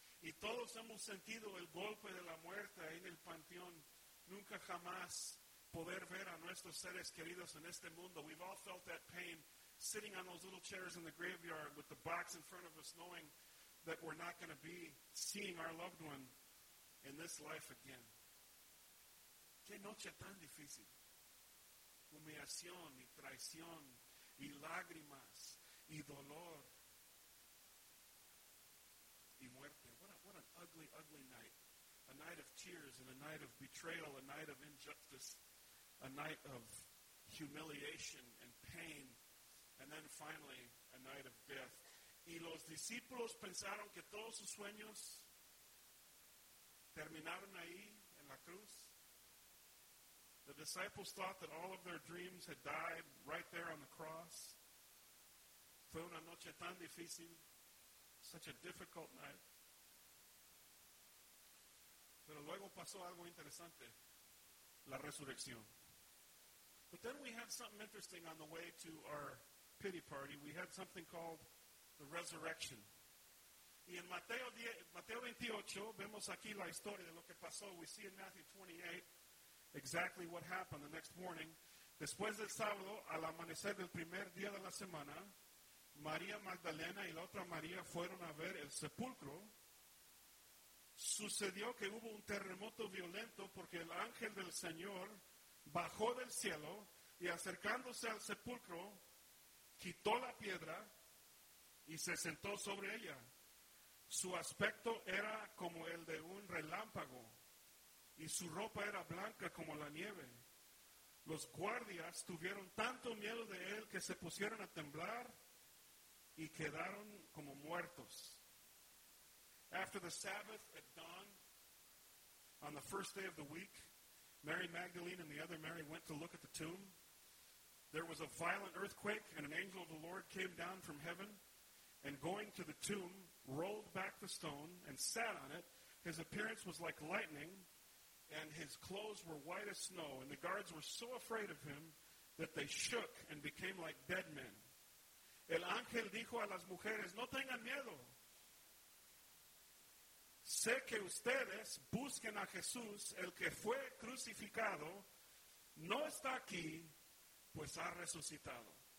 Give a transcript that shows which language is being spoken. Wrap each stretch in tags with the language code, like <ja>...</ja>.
<es>Y todos hemos sentido el golpe de la muerte en el panteón. Nunca jamás poder ver a nuestros seres queridos en este mundo.</es> <en>We've all felt that pain sitting on those little chairs in the graveyard with the box in front of us, knowing that we're not going to be seeing our loved one in this life again.</en> <es>Qué noche tan difícil. Humillación y traición y lágrimas. Y dolor. Y muerte.</es> <en>What an ugly, ugly night. A night of tears and a night of betrayal, a night of injustice, a night of humiliation and pain, and then finally, a night of death.</en> <es>Y los discípulos pensaron que todos sus sueños terminaron ahí, en la cruz.</es> <en>The disciples thought that all of their dreams had died right there on the cross.</en> <es>Fue una noche tan difícil,</es> <en>such a difficult night.</en> <es>Pero luego pasó algo interesante, la resurrección.</es> <en>But then we had something interesting on the way to our pity party. We had something called the resurrection.</en> <es>Y en Mateo 28, vemos aquí la historia de lo que pasó.</es> <en>We see in Matthew 28 exactly what happened the next morning.</en> <es>Después del sábado, al amanecer del primer día de la semana, María Magdalena y la otra María fueron a ver el sepulcro. Sucedió que hubo un terremoto violento porque el ángel del Señor bajó del cielo y acercándose al sepulcro, quitó la piedra y se sentó sobre ella. Su aspecto era como el de un relámpago y su ropa era blanca como la nieve. Los guardias tuvieron tanto miedo de él que se pusieron a temblar y quedaron como muertos.</es> <en>After the Sabbath at dawn, on the first day of the week, Mary Magdalene and the other Mary went to look at the tomb. There was a violent earthquake, and an angel of the Lord came down from heaven, and going to the tomb, rolled back the stone and sat on it. His appearance was like lightning, and his clothes were white as snow, and the guards were so afraid of him that they shook and became like dead men.</en> <es>El ángel dijo a las mujeres, no tengan miedo. Sé que ustedes busquen a Jesús, el que fue crucificado, no está aquí, pues ha resucitado.</es>